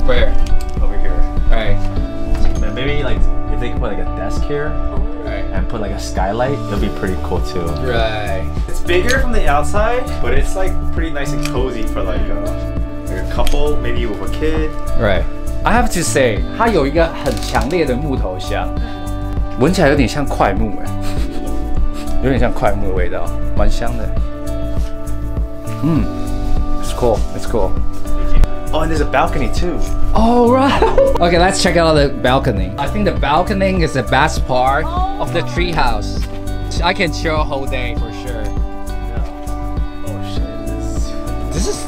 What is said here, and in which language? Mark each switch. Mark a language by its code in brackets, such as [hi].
[en] Where? Over here. Alright. Maybe like if they can put like a desk here、 right. and put like a skylight, it'll be pretty cool too. Right. It's bigger from the outside, but it's like pretty nice and cozy for like a couple, maybe with a kid. Right. I have to say, [zh] 它有一个很强烈的木头香，闻起来有点像块木哎，有点像块木的味道，蛮香的。 [en] It's cool. Oh, and there's a balcony too. Oh, right. Okay, let's check out the balcony. I think the balcony is the best part of the treehouse. I can chill a whole day for sure. Yeah. Oh shit, this is